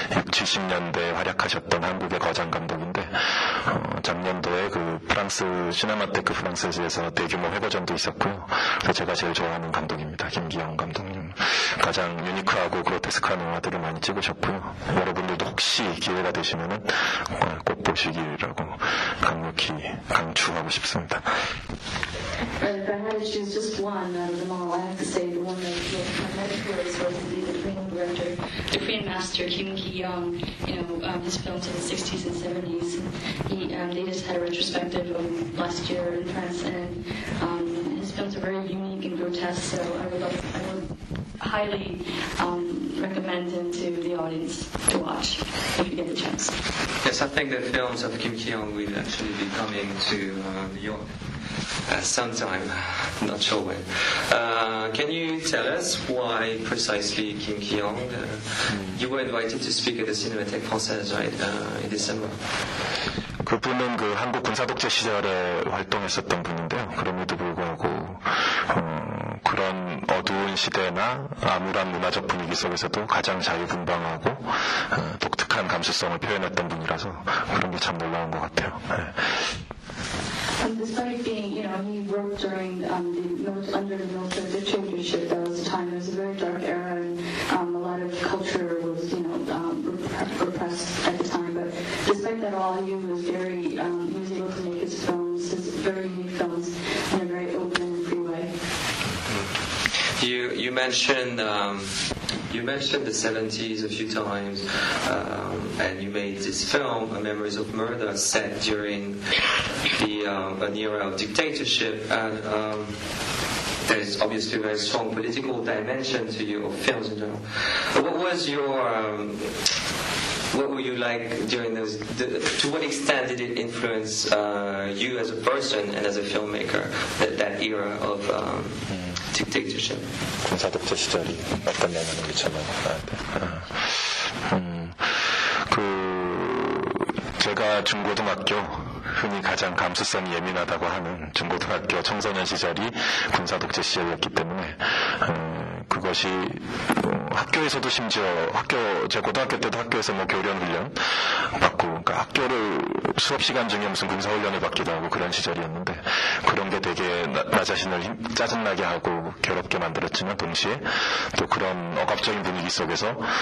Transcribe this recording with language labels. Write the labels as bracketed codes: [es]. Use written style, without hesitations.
[ko] 70년대에 활약하셨던 한국의 거장 감독인데 작년도에 그 프랑스 시네마테크 프랑스에서 대규모 회고전도 있었고요. 그래서 제가 제일 좋아하는 감독입니다. 김기영 감독님. 가장 유니크하고 그로테스크한 영화들을 많이 찍으셨고요. 여러분들도 혹시 기회가 되시면은 꼭 보시기라고 강력히 강추하고 싶습니다. [en] If I had to choose just one out of them all, I have to say the one that my mentor is supposed to be the Korean director, the Korean master Kim Ki-young. You know, his films in the 60s and 70s. They just had a retrospective last year in France, and his films are very unique and grotesque. So I would highly recommend him to the audience to watch if you get the chance. Yes, I think the films of Kim Ki-young will actually be coming to New York. Sometime, not sure when. Can you tell us why precisely Kim Ki-young? You were invited to speak at the Cinémathèque Française, right, in December. 그분은 그 한국 군사독재 시절에 활동했었던 분인데요. 그럼에도 불구하고 그런 어두운 시대나 암울한 문화적 분위기 속에서도 가장 자유분방하고 독특한 감수성을 표현했던 분이라서 그런 게 참 놀라운 것 같아요. 네. Despite being, you know, he worked during under the military dictatorship. That was the time. It was a very dark era, and a lot of culture was, you know, repressed at the time. But despite that all he was very, he was able to make his films, his very unique films, in a very open and free way. You mentioned the 70s a few times, and you made this film, Memories of Murder, set during the an era of dictatorship, and there's obviously a very strong political dimension to your films in general. What was your, what were you like during those, to what extent did it influence you as a person and as a filmmaker, that era of dictatorship? [ko] Conservative 시절이 어떤 영향을 미쳤나요? 나한테. 그 제가 중고등학교 흔히 가장 감수성이 예민하다고 하는 중고등학교 청소년 시절이 군사 독재 시절이었기 때문에 그것이 학교에서도 심지어 학교 제 고등학교 때도 학교에서 뭐 교련 훈련 받고 그러니까 학교를 수업 시간 중에 무슨 군사 훈련을 받기도 하고 그런 시절이었는데 그런 게 되게 나 자신을 짜증나게 하고 괴롭게 만들었지만 동시에 또 그런 억압적인 분위기 속에서